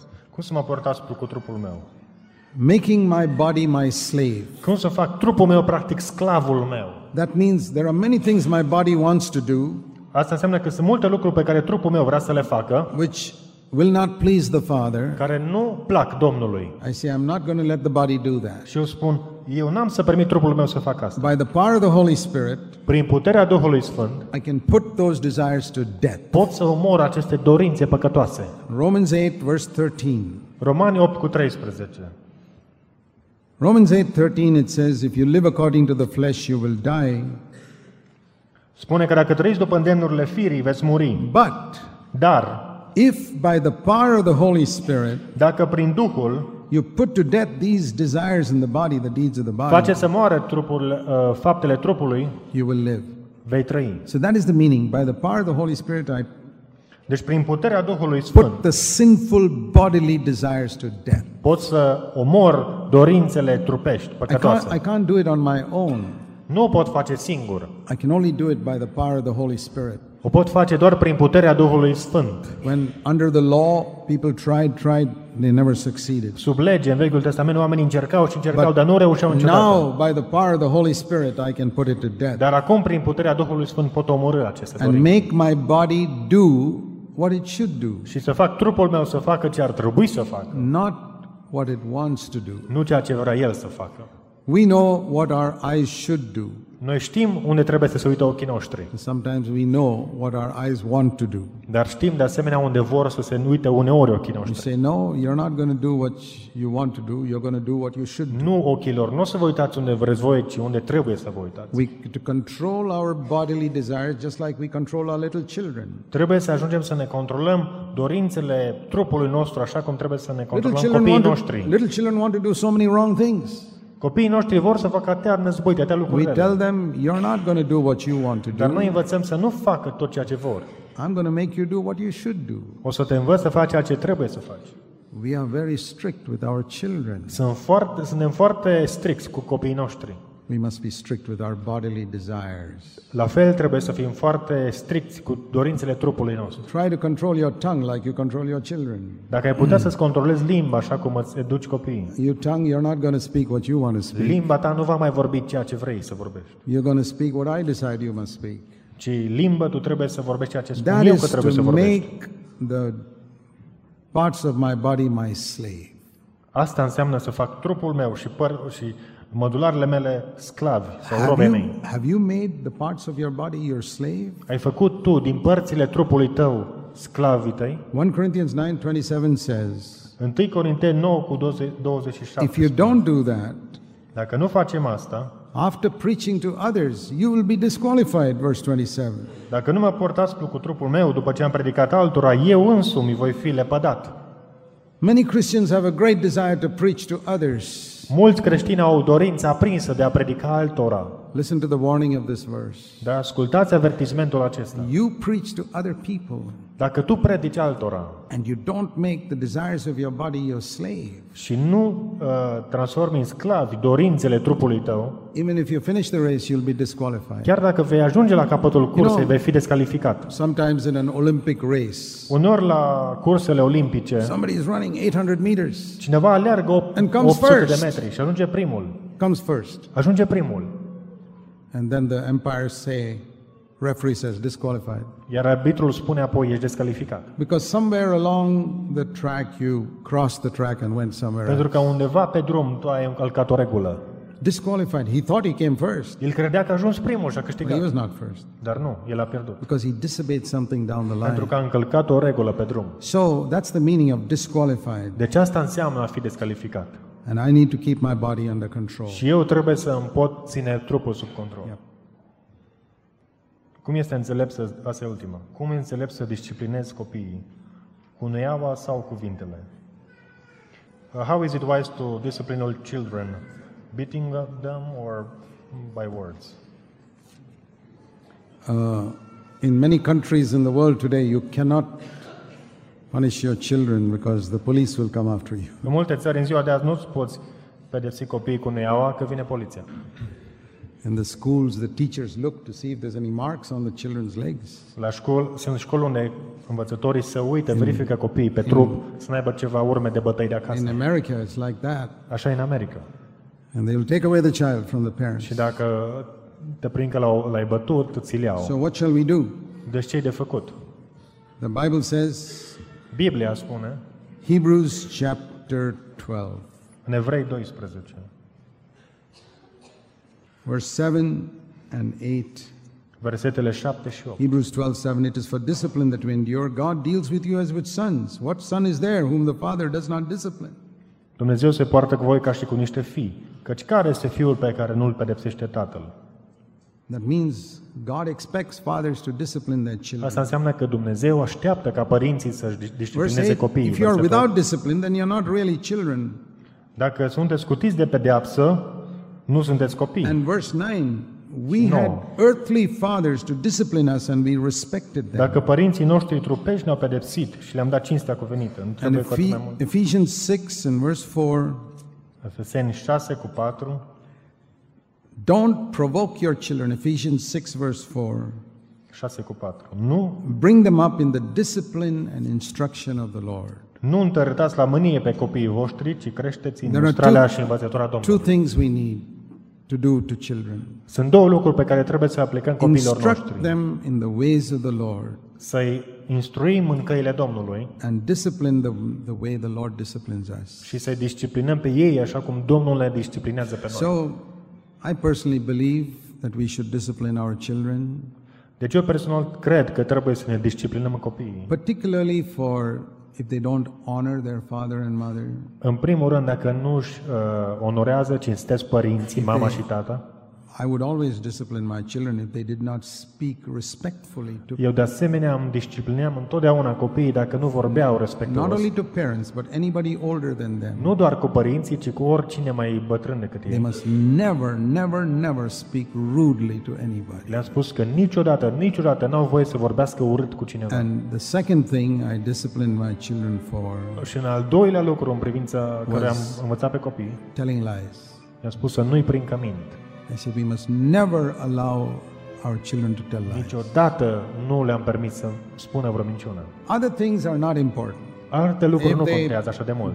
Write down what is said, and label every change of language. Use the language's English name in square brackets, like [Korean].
[Romanian] Cum să mă portați cu trupul meu? [English] Making my body my slave. [Romanian] Cum să fac trupul meu practic sclavul meu? [English] That means there are many things my body wants to do. [Romanian] Asta înseamnă că sunt multe lucruri pe care trupul meu vrea să le facă. [English] Which will not please the Father. [Romanian] Care nu plac Domnului. [English] I say I'm not going to let the body do that. [Romanian] Și eu spun, eu n-am să permit trupul meu să facă asta. [English] By the power of the Holy Spirit. [Romanian] Prin puterea Duhului Sfânt. [English] I can put those desires to death. [Romanian] Pot să omor aceste dorințe păcătoase. [English] Romans 8 verse 13. [Romanian] Romani 8:13. [English] Romans 8:13 it says if you live according to the flesh you will die. [Romanian] Spune că dacă trăiți după îndemnurile firii veți muri. [English] But [Romanian] dar [English] if by the power of the Holy Spirit, [Romanian] dacă prin Duhul, [English] you put to death these desires in the body, the deeds of the body, [Romanian] face să moară trupul, faptele trupului, [English] you will live. [Romanian] Vei trăi. [English] So that is the meaning. By the power of the Holy Spirit, I. [Romanian] Deci prin puterea Duhului Sfânt, [English] put the sinful bodily desires to death. [Romanian] Pot să omor dorințele trupești, păcătoase. [English] I can't do it on my own. [Romanian] Nu pot face singur. [English] I can only do it by the power of the Holy Spirit. [Romanian] O pot face doar prin puterea Duhului Sfânt. [English] When under the law people tried, they never succeeded. [Romanian] Sub lege, în Vechiul Testament, oamenii încercau și încercau, dar nu reușeau niciodată. [English] Now by the power of the Holy Spirit I can put it to death. [Romanian] Dar acum prin puterea Duhului Sfânt pot omorî aceste dorințe. [English] And make my body do what it should do. [Romanian] Și să fac trupul meu să facă ce ar trebui să facă. [English] Not what it wants to do. [Romanian] Nu ceea ce vrea el să facă. [English] We know what our eyes should do. [Romanian] Noi știm unde trebuie să se uită ochii noștri. [English] Sometimes we know what our eyes want to do. [Romanian] Dar știm de asemenea unde vor să se uite uneori ochii noștri. [English] You say no, you're not going to do what you want to do. You're going to do what you should. [Romanian] Nu ochilor, nu o să vă uitați unde vreți voi, ci unde trebuie să vă uitați. [English] We need to control our bodily desires just like we control our little children. [Romanian] Trebuie să ajungem să ne controlăm dorințele trupului nostru așa cum trebuie să ne controlăm copiii noștri. [English] Little children want to do so many wrong things. [Romanian] Copiii noștri vor să facă atâtea năzbâi, atâtea lucruri. [English] We tell them you're not going to do what you want to do. [Romanian] Dar noi învățăm să nu facă tot ceea ce vor. [English] I'm going to make you do what you should do. [Romanian] O să te învăț să faci ceea ce trebuie să faci. [English] We are very strict with our children. [Romanian] Suntem foarte stricți cu copiii noștri. [English] We must be strict with our bodily desires. [Romanian] La fel trebuie să fim foarte stricți cu dorințele trupului nostru. [English] Try to control your tongue like you control your children. [Romanian] Dacă ai putea să-ți controlezi limba așa cum îți educi copiii. [English] Your tongue, you're not going to speak what you want to speak. [Romanian] Limba ta nu va mai vorbi ceea ce vrei să vorbești. [English] You're going to speak what I decide you must speak. [Romanian] Ci limba tu trebuie să vorbești ceea ce spun eu că trebuie să vorbești. [English] That is to make the parts of my body my slave. [Romanian] Asta înseamnă să fac trupul meu și mădularele mele sclavi sau robe mei. [English] Have you made the parts of your body your slave? [Romanian] Ai făcut tu din părțile trupului tău sclavii tăi? [English] 1 Corinthians 9:27 says. [Romanian] 1 Corinteni 9:27. [English] If you don't do that, [Romanian] dacă nu facem asta, [English] after preaching to others, you will be disqualified, verse 27. [Romanian] Dacă nu mă portați cu trupul meu după ce am predicat altora, eu însumi voi fi lepădat. [English] Many Christians have a great desire to preach to others. [Romanian] Mulți creștini au dorința aprinsă de a predica altora. [English] Listen to the warning of this verse. [Romanian] Dar ascultați avertismentul acesta. [English] You preach to other people. [Romanian] Dacă tu predici altora. [English] And you don't make the desires of your body your slave. [Romanian] Și nu transformi în sclavi dorințele trupului tău. [English] Even if you finish the race, you'll be disqualified. [Romanian] Chiar dacă vei ajunge la capătul cursei, [English] you know, [Romanian] vei fi descalificat. [English] Sometimes in an Olympic race. [Romanian] Uneori la cursele olimpice. [English] Somebody is running 800 meters. [Romanian] Cineva aleargă 800 de metri și ajunge primul. [English] Comes first. [Romanian] Ajunge primul. [English] And then the umpires say, referee says disqualified. [Romanian] Iar arbitrul spune apoi ești descalificat. [English] Because somewhere along the track you crossed the track and went somewhere. [Romanian] Pentru că undeva pe drum tu ai încălcat o regulă. [English] Disqualified. He thought he came first. [Romanian] El credea că a ajuns primul și a câștigat. [English] He was not first. [Romanian] Dar nu, el a pierdut. [English] Because he disobeyed something down the line. [Romanian] Pentru că a încălcat o regulă pe drum. [English] So that's the meaning of disqualified. [Romanian] Deci asta înseamnă a fi descalificat. [English] And I need to keep my body under control. [Romanian] Și eu trebuie să îmi pot ține trupul sub control. [English] Yep. [Romanian] Cum este înțelept să, asta e ultima, cum e înțelept să disciplinezi copiii? Cu năiaua sau cuvintele? [English] How is it wise to discipline all children? Beating them or by words? In many countries in the world today, you cannot punish your children because the police will come after you. [Romanian] În multe țări în ziua de azi nu poți pedepsi copiii cu năiaua că vine poliția. [English] In the schools the teachers look to see if there's any marks on the children's legs. [Romanian] La școală, sunt școli unde învățătorii se uită, verifică copiii pe trup, să n-aibă ceva urme de bătăi de acasă. [English] In America it's like that. [Romanian] Așa e în America. [English] And they'll take away the child from the parents. [Romanian] Și dacă te prind că l-ai bătut, ți-l iau. [English] So what shall we do? [Romanian] Deci ce e de făcut? [English] The Bible says. [Romanian] Biblia spune. [English] Hebrews chapter 12. [Romanian] În Evrei 12. [English] Verse 7 and 8. [Romanian] Versetele 7 și 8. [English] Hebrews 12:7. It is for discipline that we endure. God deals with you as with sons. What son is there whom the father does not discipline? [Romanian] Dumnezeu se poartă cu voi ca și cu niște fii, căci care este fiul pe care nu îl pedepsește tatăl? [English] That means God expects fathers to discipline their children. [Romanian] Asta înseamnă că Dumnezeu așteaptă ca părinții să-și disciplineze copiii. [English] If you are without discipline, then you are not really children. [Romanian] Dacă sunteți scutiți de pedeapsă, nu sunteți copii. [English] And verse 9, we had earthly fathers to discipline us and we respected them. [Romanian] Dacă părinții noștri trupești ne-au pedepsit și le-am dat cinstea cuvenită, nu trebuie cu atât mai mult. [English] Ephesians 6 and verse 4. [Romanian] Efeseni 6:4. [English] Don't provoke your children. Ephesians 6 verse 4. [Romanian] 6:4. Nu [English] bring them up in the discipline and instruction of the Lord. [Romanian] Nu întărâtați la mânie pe copiii voștri, ci creșteți în mustrarea și învățătura Domnului. [English] Two things we need to do to children. [Romanian] Sunt două lucruri pe care trebuie să le aplicăm copiilor noștri. [English] Instruct them in the ways of the Lord. [Romanian] Să-i instruim în căile Domnului. [English] And discipline them the way the Lord disciplines us. [Romanian] Și să-i disciplinăm pe ei așa cum Domnul le disciplinează pe noi. [English] So I personally believe that we should discipline our children. [Romanian] Deci eu personal cred că trebuie să ne disciplinăm copiii. [English] Particularly for if they don't honor their father and mother. [Romanian] În primul rând, dacă nu își onorează, cinstesc părinții, mama și tata. [English] I would always discipline my children if they did not speak respectfully to. [Romanian] Eu de asemenea îmi disciplineam întotdeauna copiii dacă nu vorbeau respectuos. [English] Not only to parents, but anybody older than them. [Romanian] Nu doar cu părinții, ci cu oricine mai bătrân decât ei. [English] They must never, never, never speak rudely to anybody. [Romanian] Le-am spus că niciodată, niciodată n-au voie să vorbească urât cu cineva. [English] And the second thing I disciplined my children for. [Romanian] Și în al doilea lucru în privința care am învățat pe copii. [English] Telling lies. [Romanian] Le-am spus să nu-i prind că mint. [English] I said we must never allow our children to tell lies. [Romanian] Niciodată nu le-am permis să spună vreo minciună. [English] Other things are not important. [Romanian] Alte lucruri nu contează așa de mult.